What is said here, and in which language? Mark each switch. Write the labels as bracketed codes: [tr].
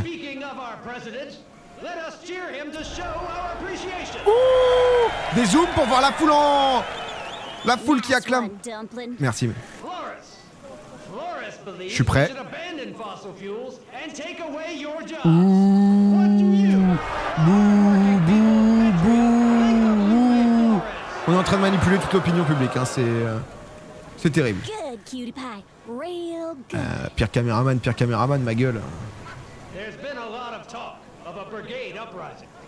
[en] Speaking of our president, let us cheer him to show our appreciation. [fr] Ouh, des zooms pour voir la foule en... La foule qui acclame. Merci. [en] Floris believes [fr] je suis prêt. [en] We should abandon fossil fuels and take away your jobs. Ouh. What do you... Boo, boo, boo. [fr] On est en train de manipuler toute l'opinion publique, hein, c'est terrible. [en] Good, cutie pie. Real good. [fr] Pire caméraman, ma gueule. [en] There's been a lot of talk of a brigade uprising.